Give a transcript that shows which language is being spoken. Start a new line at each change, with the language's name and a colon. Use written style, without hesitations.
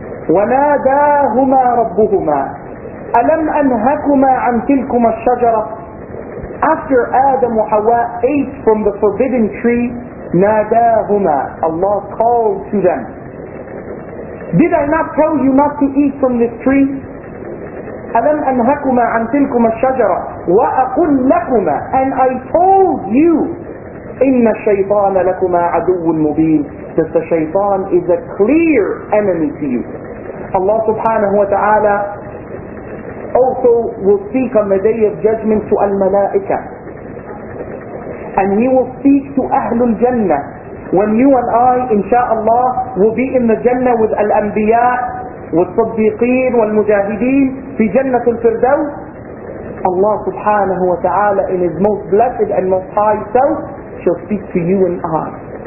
Arabic: وَنَادَاهُمَا رَبُّهُمَا أَلَمْ أَنْهَكُمَا عَنْ تِلْكُمَ الشَّجَرَةِ.
English: After Adam wa Hawa ate from the forbidden tree, نَادَاهُمَا, Allah called to them. Did I not tell you not to eat from this tree?
Arabic: أَلَمْ أَنْهَكُمَا عَنْ تِلْكُمَ الشَّجَرَةِ وَأَقُلْ لَكُمَا.
English: And I told you,
Arabic: إِنَّ الشَّيْطَانَ لَكُمَا عَدُوٌ مُبِينٌ.
English: That the shaytan is a clear enemy to you. Allah subhanahu wa ta'ala also will speak on the Day of Judgment to Al-Malaika. And he will speak to Ahlul Jannah. When you and I, inshaAllah, will be in the Jannah with Al-Anbiya, with Sadiqeen, with Mujahideen, fi Jannah Al-Firdaus, Allah subhanahu wa ta'ala in His most blessed and most high self shall speak to you and I.